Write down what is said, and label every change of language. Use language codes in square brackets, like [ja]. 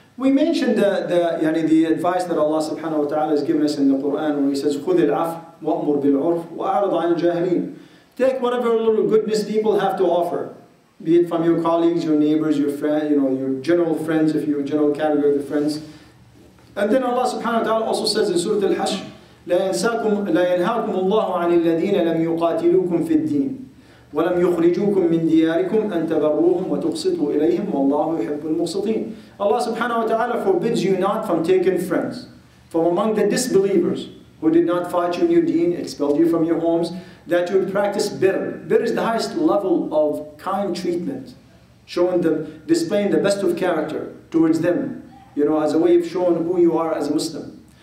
[en] We mentioned the yani the advice that Allah subhanahu wa ta'ala has given us in the Quran when He says, [ar] خُذِ الْعَفْوَ وَأْمُرْ بِالْعُرْفِ وَأَعْرِضْ عَنِ الْجَاهِلِينَ. [en] Take whatever little goodness people have to offer, be it from your colleagues, your neighbors, your friend, you know, your general friends, if you're a general category of the friends. And then Allah subhanahu wa ta'ala also says in Surah Al-Hashr, [ar] لَيَنْهَاكُمُ اللَّهُ عَنِ الَّذِينَ لَمْ يُقَاتِلُوكُمْ فِي الدِّينِ وَلَمْ يُخْرِجُوكُمْ مِنْ دِيَارِكُمْ أَنْ تَبَرُّوهُمْ وَتُقْسِطُوا إِلَيْهِمْ وَاللَّهُ يُحِبُّ الْمُقْسِطِينَ. [en] Allah subhanahu wa ta'ala forbids you not from taking friends from among the disbelievers who did not fight you in your deen, expelled you from your homes, that you practice birr. Birr is the highest level of kind treatment, showing them, displaying the best of character towards them, you know, as a way of showing who you are as a Muslim.